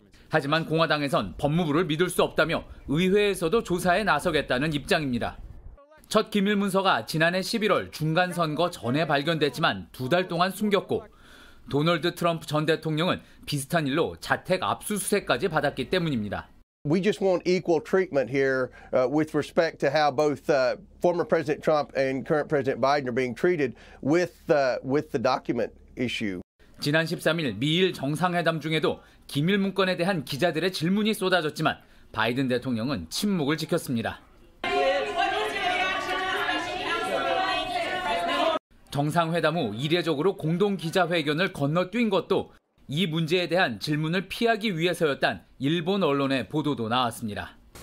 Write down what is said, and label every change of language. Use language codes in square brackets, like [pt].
[ko] 하지만 공화당에선 법무부를 믿을 수 없다며 의회에서도 조사에 나서겠다는 입장입니다. 첫 기밀문서가 지난해 11월 중간선거 전에 발견됐지만 두 달 동안 숨겼고 도널드 트럼프 전 대통령은 비슷한 일로 자택 압수수색까지 받았기 때문입니다. [en] We just want equal treatment here with respect to how both former President Trump and current President Biden are being treated with the document issue. [ko] 지난 13일 미일 정상회담 중에도 기밀 문건에 대한 기자들의 질문이 쏟아졌지만 바이든 대통령은 침묵을 지켰습니다. 정상회담 후 이례적으로 공동 기자회견을 건너뛴 것도 이 문제에 대한 질문을 피하기 위해서였단 일본 언론의 보도도 나왔습니다.